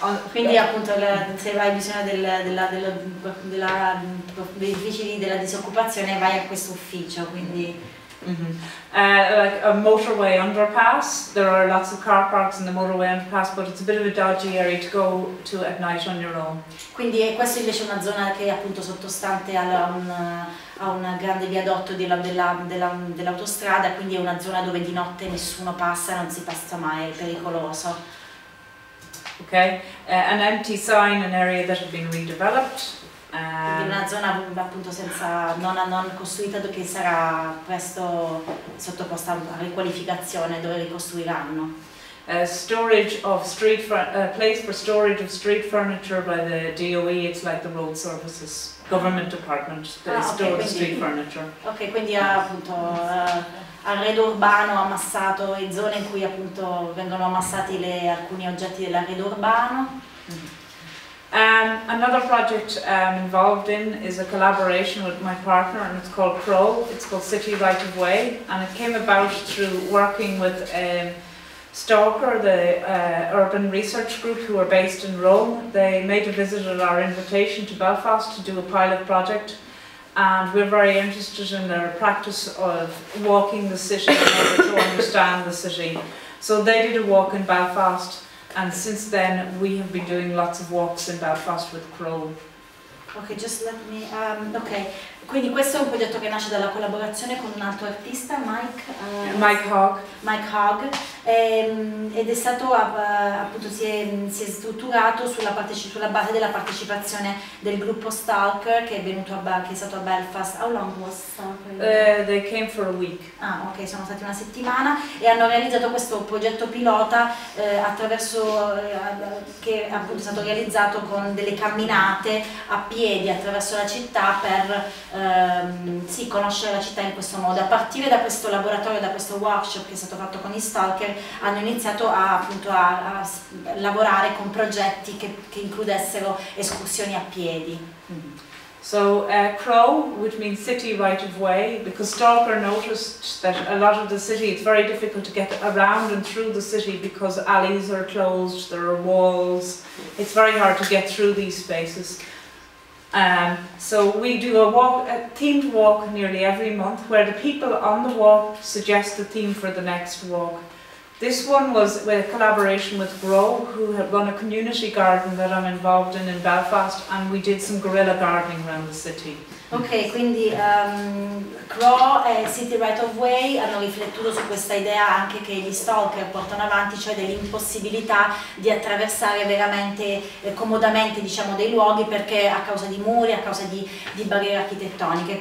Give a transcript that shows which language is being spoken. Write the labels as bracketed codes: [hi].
[it] Quindi appunto se hai bisogno della disoccupazione vai a questo ufficio, quindi [en] Like a motorway underpass, there are lots of car parks in the motorway underpass, but it's a bit of a dodgy area to go to at night on your own. [it] Quindi questa invece è una zona che è appunto sottostante a un grande viadotto dell'autostrada, quindi è una zona dove di notte nessuno passa, non si passa mai, è pericoloso. [en] Okay, an empty sign, an area that had been redeveloped. [it] In una zona appunto senza non costruita che sarà presto sottoposta a riqualificazione dove ricostruiranno. [en] Storage of street place for storage of street furniture by the DOE. It's like the road services government department that stores street furniture. [it] Ok, quindi appunto arredo urbano ammassato e zone in cui appunto vengono ammassati alcuni oggetti dell'arredo urbano. [en] Another project I'm involved in is a collaboration with my partner and it's called PROO, it's called City Right of Way, and it came about through working with Stalker, the urban research group who are based in Rome. They made a visit at our invitation to Belfast to do a pilot project, and we're very interested in their practice of walking the city in order to understand the city. So they did a walk in Belfast, and since then we have been doing lots of walks in Belfast with Crowe. Okay, just let me. [it] Okay, quindi questo è un progetto che nasce dalla collaborazione con un altro artista, Mike Hogg, ed è stato appunto si è strutturato sulla base della partecipazione del gruppo Stalker che è stato a Belfast. [en] How long was Stalker? They came for a week. [it] Ah, ok, sono stati una settimana e hanno realizzato questo progetto pilota che appunto è stato realizzato con delle camminate a piedi attraverso la città per conoscere la città in questo modo. A partire da questo laboratorio, da questo workshop che è stato fatto con gli Stalker, hanno iniziato appunto a lavorare con progetti che includessero escursioni a piedi. [en] So Crow, which means city right of way, because Stalker noticed that a lot of the city, it's very difficult to get around and through the city because alleys are closed, there are walls, it's very hard to get through these spaces. So we do a themed walk nearly every month where the people on the walk suggest the theme for the next walk. This one was with a collaboration with Grow, who had run a community garden that I'm involved in Belfast, and we did some guerrilla gardening around the city. [it] Ok, quindi Crow e City Right of Way hanno riflettuto su questa idea anche che gli stalker portano avanti, cioè dell'impossibilità di attraversare veramente comodamente diciamo dei luoghi perché a causa di muri, a causa di barriere architettoniche.